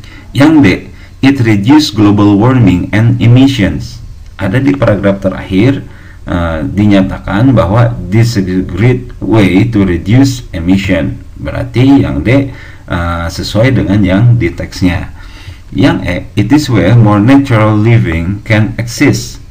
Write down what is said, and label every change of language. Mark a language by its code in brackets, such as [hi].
[id] Yang D, [en] it reduce global warming and emissions. [id] Ada di paragraf terakhir. Dinyatakan bahwa [en] this is a great way to reduce emission. [id] Berarti yang D sesuai dengan yang di teksnya. Yang E, [en] it is where more natural living can exist.